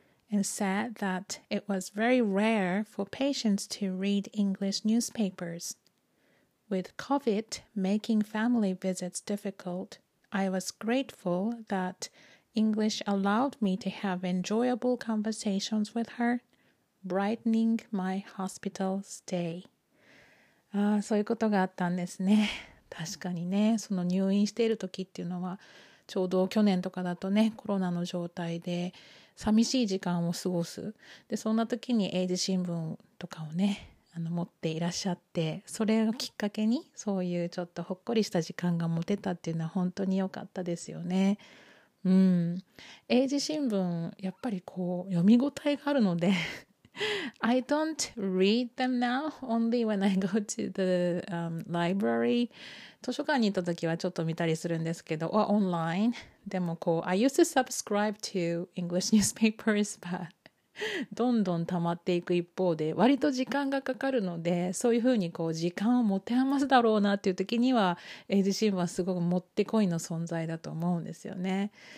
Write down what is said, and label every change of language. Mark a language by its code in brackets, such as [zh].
[en] And said that it was very rare for patients to read English newspapers. With COVID making family visits difficult, I was grateful that English allowed me to have enjoyable conversations with her, brightening my hospital stay. [ja] ああ、そういうことがあったんですね。確かにね、その入院している時っていうのはちょうど去年とかだとね、コロナの状態で寂しい時間を過ごす。で、そんな時に英字新聞とかをね、持っていらっしゃって、それをきっかけに、そういうちょっとほっこりした時間が持てたっていうのは本当に良かったですよね。英字新聞、やっぱりこう、読み応えがあるので、 [en] I don't read them now, only when I go to the library. [ja] 図書館に行った時はちょっと見たりするんですけど、 [en] or online. [ja] でもこう、 [en] I used to subscribe to English newspapers, but [ja] どんどん溜まっていく一方で、割と時間がかかるので、そういうふうにこう時間を持て余すだろうなっていう時には、英字新聞はすごくもってこいの存在だと思うんですよね。